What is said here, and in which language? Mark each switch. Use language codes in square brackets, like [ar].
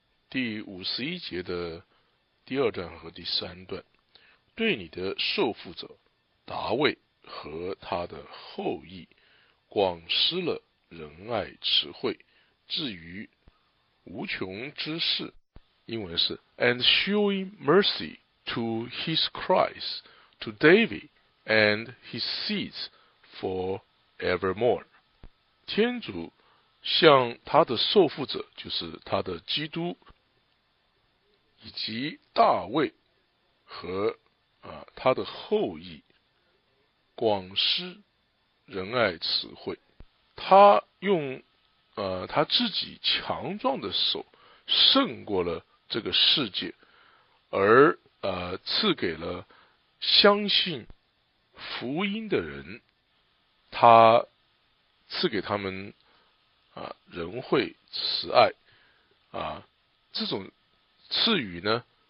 [zh] 第51节的第二段和第三段，对你的受缚者达卫和他的后裔广施了仁爱慈惠，至于无穷之事。英文是 [en] And showing mercy to his Christ, to David, and his seeds forevermore. [zh] 天主向他的受缚者，就是他的基督，以及大卫和、他的后裔广施仁爱慈惠。他用、他自己强壮的手胜过了这个世界，而、赐给了相信福音的人，他赐给他们、仁惠慈爱、这种赐予呢，